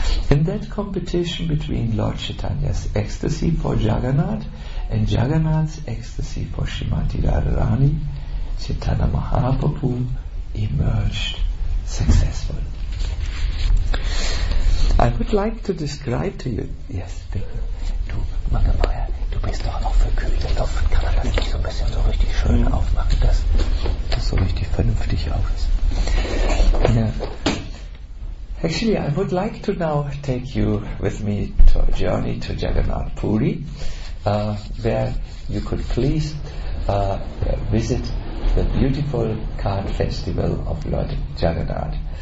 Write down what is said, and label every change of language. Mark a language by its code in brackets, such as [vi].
[en] In that competition between Lord Chaitanya's ecstasy for Jagannath and Jagannath's ecstasy for Srimati Radharani, Chaitanya Mahaprabhu emerged successful. I would like to describe to you. Yes, [de] bitte. Du, Mama Maya, du bist doch noch verkühlt. Dann kann man das nicht so ein bisschen so richtig schön aufmachen, dass das so richtig vernünftig auf ist. Ja. [en] Actually, I would like to now take you with me to a journey to Jagannath Puri, where you could please visit the beautiful Kart festival of Lord Jagannath.